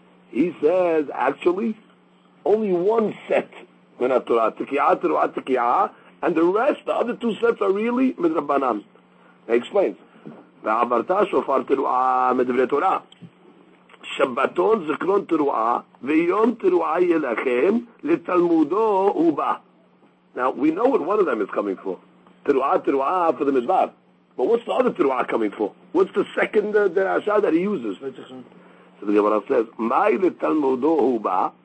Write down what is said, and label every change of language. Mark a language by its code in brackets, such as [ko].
[en] He says, actually, only one set min ha-Torah, tekiah, teruah, tekiah, and the rest, the other two sets are really midrabanan. He explains, [he] ועברת שופר תרועה מדברי תורה. שבתון זכרון תרועה, ויום תרועה יהיה לכם, לתלמודו הוא בא. [en] Now, we know what one of them is coming for. תרועה, תרועה, for the midbar. But what's the other תרועה coming for? What's the second דרשה that he uses? So the Gemara says, [he] מי לתלמודו הוא בא?